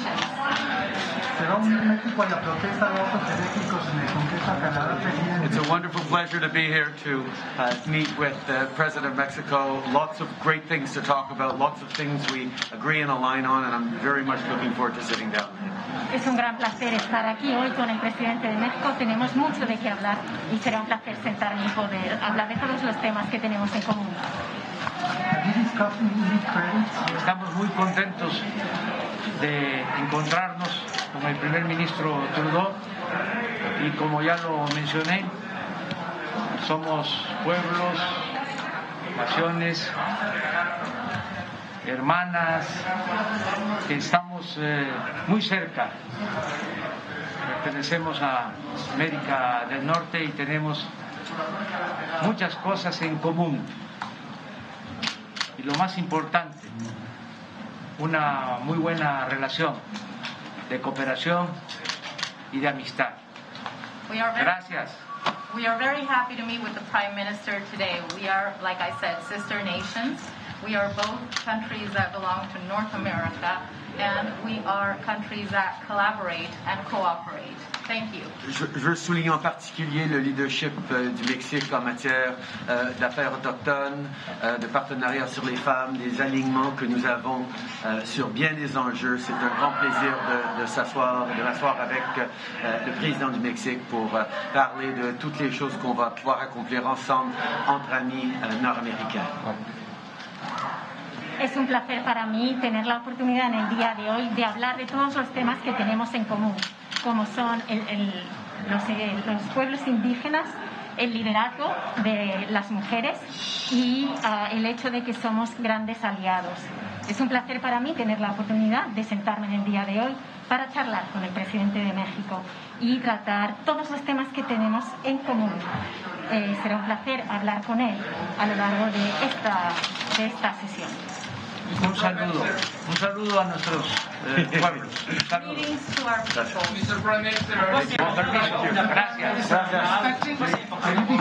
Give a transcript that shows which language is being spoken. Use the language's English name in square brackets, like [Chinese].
[Spanish] Pero México en la protesta de otros políticos en el Congreso de Canadá. [English] It's a wonderful pleasure to be here to meet with the President of Mexico. Lots of great things to talk about. Lots of things we agree and align on, and I'm very much looking forward to sitting down. [Spanish] Es un gran placer estar aquí hoy con el Presidente de México. Tenemos mucho de qué hablar, y será un placer sentarme y poder hablar de todos los temas que tenemos en común. Estamos muy contentos de encontrarnos con el primer ministro Trudeau, y como ya lo mencioné, somos pueblos, naciones, hermanas, que estamos muy cerca. Pertenecemos a América del Norte y tenemos muchas cosas en común. Lo más importante, una muy buena relación de cooperación y de amistad. Gracias. [English] We are very happy to meet with the Prime Minister today. We are, like I said, sister nations. We are both countries that belong to North America, and we are countries that collaborate and cooperate. Thank you. [French] Je veux souligner en particulier le leadership du Mexique en matière d'affaires autochtones, de partenariat sur les femmes, des alignements que nous avons sur bien des enjeux. C'est un grand plaisir de m'asseoir avec le président du Mexique pour parler de toutes les choses qu'on va pouvoir accomplir ensemble entre amis nord-américains. [Spanish] Es un placer para mí tener la oportunidad en el día de hoy de hablar de todos los temas que tenemos en común, como son los pueblos indígenas, el liderazgo de las mujeres y el hecho de que somos grandes aliados. Es un placer para mí tener la oportunidad de sentarme en el día de hoy para charlar con el presidente de México y tratar todos los temas que tenemos en común. Será un placer hablar con él a lo largo de esta sesión. Un saludo a nuestros pueblos. [English] Greetings to our people.